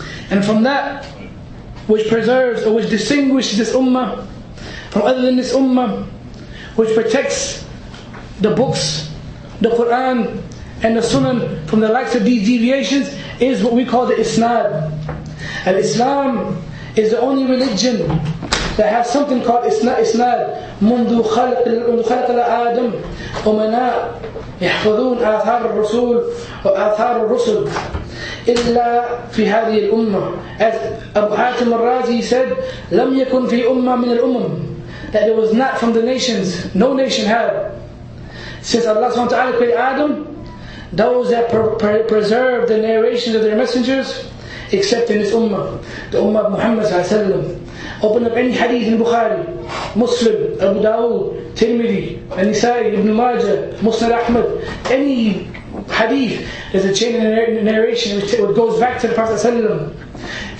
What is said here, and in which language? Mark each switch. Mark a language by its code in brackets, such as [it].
[en] And from that which preserves or which distinguishes this ummah from other than this ummah, which protects the books, the Quran and the Sunnah from the likes of these deviations, is what we call the Isnad. And Islam is the only religion that has something called Isnad. [ar] منذ خلق الآدم أمناء يحفظون آثار الرسول وآثار الرسل إلا في هذه الأمة. [en] As Abu Hatim al-Razi said, [ar] لم يكن في أمة من الأمم. [en] That it was not from the nations, no nation had, since Allah subhanahu wa ta'ala created Adam, those that preserve the narrations of their messengers, except in this ummah, the ummah of Muhammad sallallahu alayhi wa sallam. Open up any hadith in Bukhari, Muslim, Abu Dawud, Tirmidhi, An-Nisa'i, Ibn Majah, Musnad Ahmad, any hadith, there's a chain of narration which goes back to the Prophet sallallahu alayhi wa sallam.